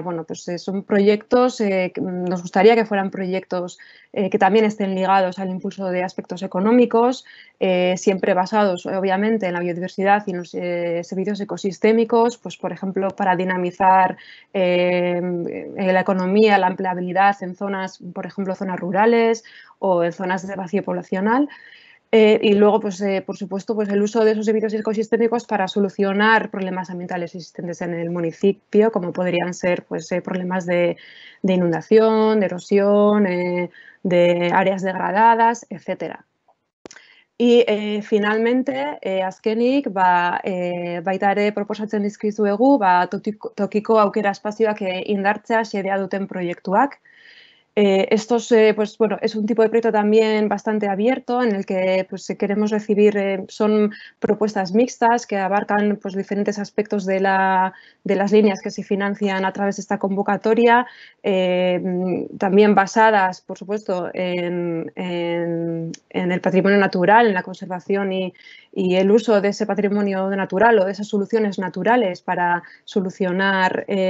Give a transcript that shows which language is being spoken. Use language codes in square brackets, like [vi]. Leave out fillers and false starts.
[es] Bueno, pues son proyectos, nos gustaría que fueran proyectos que también estén ligados al impulso de aspectos económicos, siempre basados obviamente en la biodiversidad y en los servicios ecosistémicos, pues por ejemplo para dinamizar la economía, la empleabilidad en zonas, por ejemplo, zonas rurales o en zonas de vacío poblacional. Y luego, pues, por supuesto, pues, el uso de esos servicios ecosistémicos para solucionar problemas ambientales existentes en el municipio, como podrían ser pues, problemas de inundación, de erosión, de áreas degradadas, etc. Y finalmente, [eu] azkenik, ba, baita ere proposatzen dizkizuegu, ba, tokiko aukera espazioak indartzea xedea duten proiektuak. [es] Estos, pues bueno, es un tipo de proyecto también bastante abierto en el que pues, queremos recibir, son propuestas mixtas que abarcan pues, diferentes aspectos de las líneas que se financian a través de esta convocatoria, también basadas, por supuesto, en el patrimonio natural, en la conservación y el uso de ese patrimonio natural o de esas soluciones naturales para solucionar